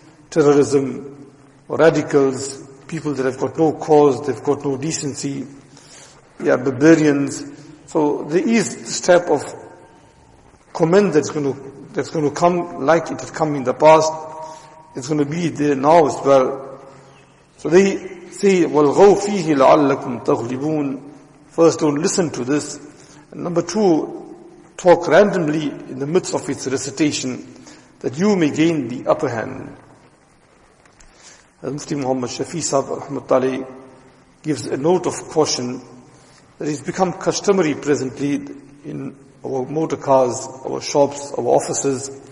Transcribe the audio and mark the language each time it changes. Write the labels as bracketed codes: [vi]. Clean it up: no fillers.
[en] Terrorism, or radicals, people that have got no cause, they've got no decency, they are barbarians. So there is this type of comment that's going to come like it had come in the past. It's going to be there now as well. [ar] So they say, وَالْغَوْ فِيهِ لَعَلَّكُمْ تَغْلِبُونَ. [en] First, don't listen to this. And number two, talk randomly in the midst of its recitation, that you may gain the upper hand. Mufti Muhammad Shafi Sahib Rahmatullahi gives a note of caution that it's become customary presently in our motor cars, our shops, our offices.